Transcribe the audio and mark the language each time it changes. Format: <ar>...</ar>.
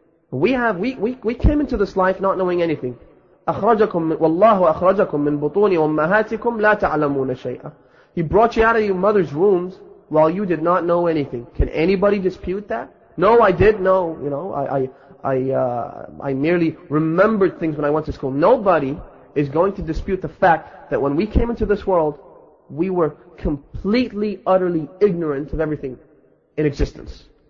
<en>We came into this life not knowing anything.</en> <ar>أخرجكم والله أخرجكم من بطون أمهاتكم لا تعلمون شيئا.</ar> <en>He brought you out of your mother's wombs while you did not know anything. Can anybody dispute that? No, I did. No, you know, I merely remembered things when I went to school. Nobody is going to dispute the fact that when we came into this world, we were completely, utterly ignorant of everything in existence.</en>